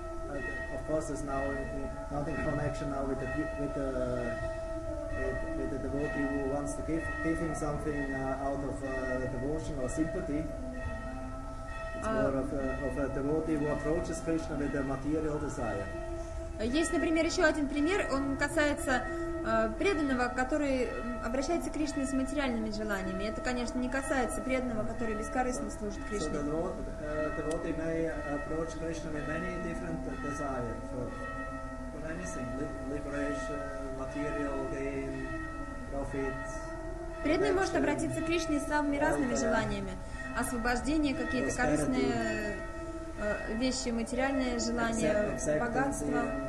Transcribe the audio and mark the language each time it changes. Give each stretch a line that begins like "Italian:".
English: Of course, there's now not in connection now with the devotee who wants to give him something out of devotion or sympathy. It's more of a devotee who approaches Krishna with a material desire.
Russian: Есть, например, еще один пример. Он касается преданного, который обращается к Кришне с материальными желаниями. Это, конечно, не касается преданного, который бескорыстно служит Кришне.
English: So the devotee may approach Krishna with many different desires for anything: liberation, material gain, profit.
Russian: Преданный может обратиться к Кришне с самыми разными желаниями: освобождение, какие-то корыстные вещи, материальные желания, богатство,